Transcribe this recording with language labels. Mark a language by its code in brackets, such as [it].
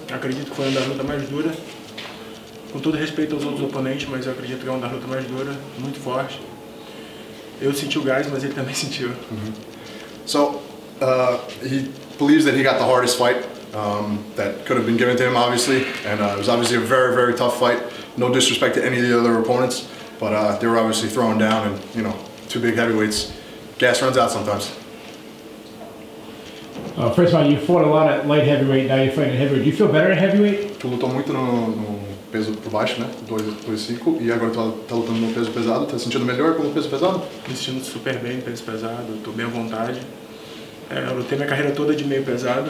[pt] Acredito que foi uma das lutas mais duras. Com todo respeito aos outros oponentes, mas eu acredito que é uma das lutas mais duras, muito forte. Eu senti o gás, mas ele também sentiu. [en] So, he believes that he got the hardest fight. That could have been given to him, obviously, and it was obviously a very, very tough fight. No disrespect to any of the other opponents, but they were obviously thrown down, and you know, two big heavyweights, gas runs out sometimes. First of all, you fought a lot at light heavyweight. Now you're fighting heavyweight. Do you feel better at heavyweight? [pt] Tu lutou muito no peso por baixo, né? 2,5, e agora tá lutando no peso pesado. Tá sentindo melhor com o peso pesado? Me sentindo super bem no peso pesado. Tô bem à vontade. Eu lutei minha carreira toda de meio pesado.